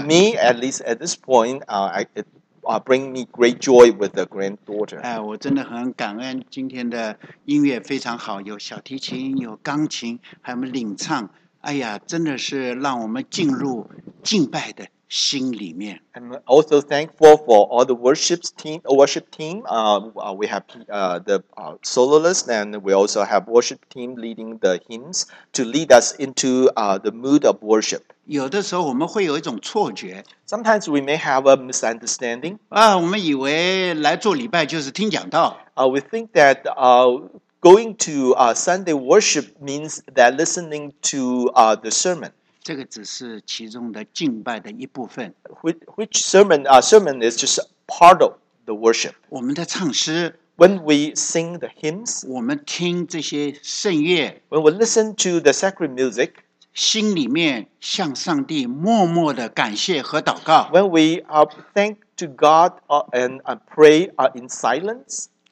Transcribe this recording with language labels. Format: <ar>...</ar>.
<en>me, at least at this point, it bring me great joy with the granddaughter.</en> <zh>我真的很感恩今天的音乐非常好，有小提琴，有钢琴，还有我们领唱。哎呀，真的是让我们进入敬拜的。心里面.</zh> <en>I'm also thankful for all the worship team. We have the soloist, and we also have worship team leading the hymns to lead us into the mood of worship.</en> <zh>有的时候我们会有一种错觉.</zh> <en>Sometimes we may have a misunderstanding.</en> <zh>我们以为来做礼拜就是听讲道.</zh> <en>We think that going to Sunday worship means that listening to the sermon.</en> <zh>这个只是其中的敬拜的一部分.</zh> <en>Which sermon? Sermon is just part of the worship.</en> <zh>我们的唱诗.</zh> <en>When we sing the hymns.</en> <zh>我们听这些圣乐.</zh> <en>When we listen to the sacred music.</en> <zh>心里面向上帝默默的感谢和祷告.</zh> <en>When we thank to God and pray in silence.</en>